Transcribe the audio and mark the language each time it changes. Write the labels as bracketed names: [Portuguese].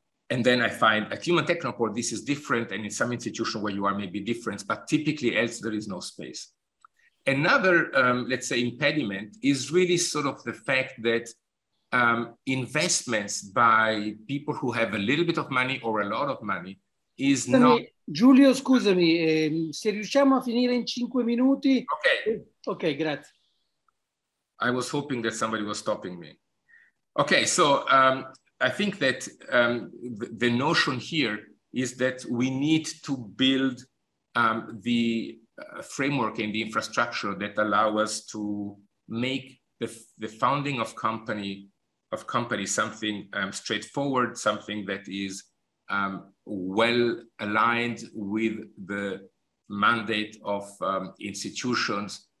[English] And then I find at Human Technopole, this is different, and in some institution where you are maybe different, but typically else there is no space. Another, let's say, impediment is really sort of the fact that investments by people who have a little bit of money or a lot of money is [Italian] scusami, [English] not... [Italian] Giulio, scusami, se riusciamo a finire in 5 minuti... Okay. Okay, grazie. [English] I was hoping that somebody was stopping me. Okay, so... I think that the notion here is that we need to build the framework and the infrastructure that allow us to make the founding of company something straightforward, something that is well aligned with the mandate of institutions.